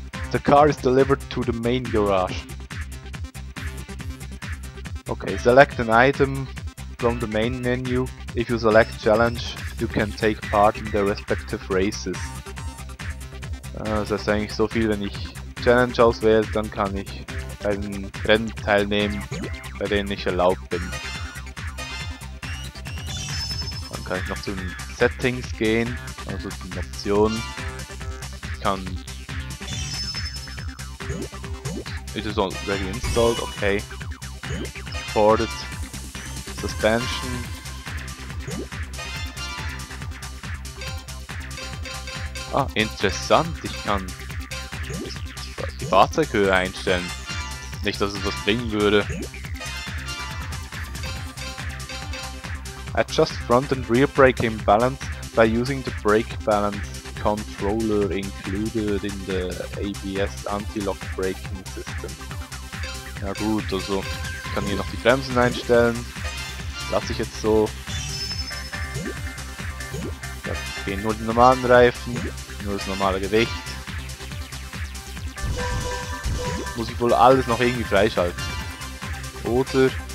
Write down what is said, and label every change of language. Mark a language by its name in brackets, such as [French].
[English] The car is delivered to the main garage. Okay, select an item from the main menu. If you select challenge, you can take part in the respective races. [German] Das ist eigentlich so viel, wenn ich Challenge auswähle, dann kann ich bei den Rennen teilnehmen, bei denen ich erlaubt bin. Dann kann ich noch zu den Settings gehen, also die Option. Ich kann... [English] It is already installed, okay. Supported. Suspension. [German] Ah, interessant, ich kann die Fahrzeughöhe einstellen. Nicht, dass es was bringen würde. [English] Adjust front and rear brake imbalance by using the brake balance controller included in the ABS anti-lock braking system. [German] Ja gut, also ich kann hier noch die Bremsen einstellen. Lasse ich jetzt so. Da gehen nur die normalen Reifen, nur das normale Gewicht. Muss ich wohl alles noch irgendwie freischalten. Oder...